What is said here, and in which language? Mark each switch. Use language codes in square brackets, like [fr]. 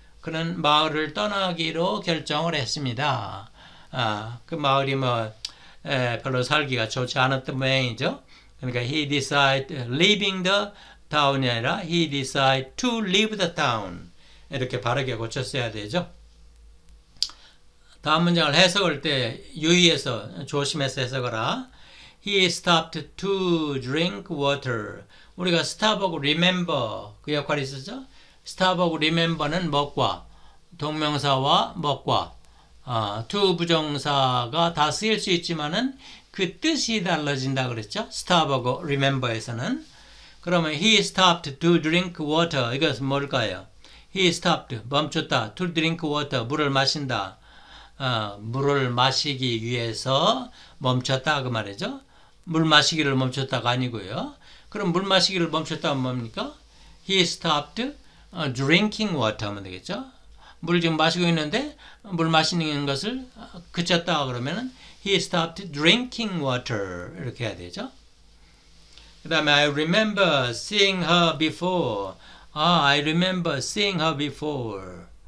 [ko] 그는 마을을 떠나기로 결정을 했습니다. 그 마을이 뭐 별로 살기가 좋지 않았던 모양이죠. 그러니까 [en] he decided leaving the town이 아니라 he decided to leave the town. [ko] 이렇게 바르게 고쳤어야 되죠. 다음 문장을 해석할 때 유의해서 조심해서 해석하라. [en] He stopped to drink water. [ko] 우리가 stop하고 remember 그 역할이 있었죠. stop하고 remember는 먹과 동명사와 먹과 to 부정사가 다 쓰일 수 있지만은 그 뜻이 달라진다 그랬죠. stop하고 remember에서는 그러면 [en] he stopped to drink water [ko] 이것은 뭘까요? [en] He stopped, [ko] 멈췄다. [en] To drink water, [ko] 물을 마신다. 물을 마시기 위해서 멈췄다. 그 말이죠. 물 마시기를 멈췄다가 아니고요. 그럼 물 마시기를 멈췄다면 뭡니까? [en] He stopped drinking water 하면 되겠죠. [ko] 물 지금 마시고 있는데 물 마시는 것을 그쳤다 그러면은 [en] He stopped drinking water [ko] 이렇게 해야 되죠. 그 다음에 [en] I remember seeing her before. I remember seeing her before.